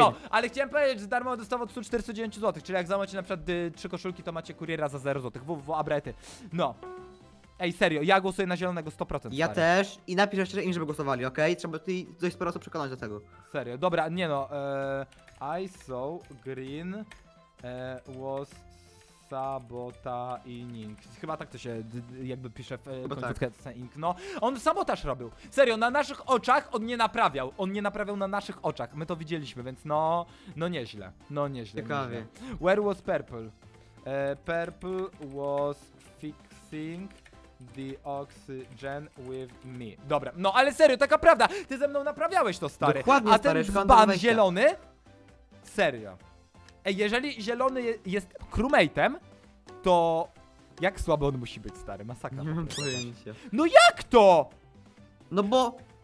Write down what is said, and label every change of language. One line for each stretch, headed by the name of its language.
Polish: No, ale chciałem powiedzieć, że darmo dostawał 149 zł, czyli jak zamawiacie na przykład 3 koszulki, to macie kuriera za 0 zł. Abrety. No. Ej, serio, ja głosuję na zielonego 100%. Ja też i napisz jeszcze im, żeby głosowali, okej? Trzeba ty dość sporo osób przekonać do tego. Serio, dobra, nie no.
English: I saw green was sabotaining.
Polish: Chyba tak to się jakby pisze w końcówce. Tak. No, on sabotaż robił. Serio, na naszych oczach on nie naprawiał. On nie naprawiał na naszych oczach. My to widzieliśmy, więc no, no nieźle. No nieźle. Ciekawie. Nieźle.
English: Where was purple? Purple was fixing the oxygen with me.
Polish: Dobra, no ale serio, taka prawda. Ty ze mną naprawiałeś to, stary. Dokładnie, a ten dzban zielony? Serio. Ej, jeżeli zielony jest crewmate'em, to jak słaby on musi być, stary? Masakra. Nie mam pojęcia. No jak to? No bo...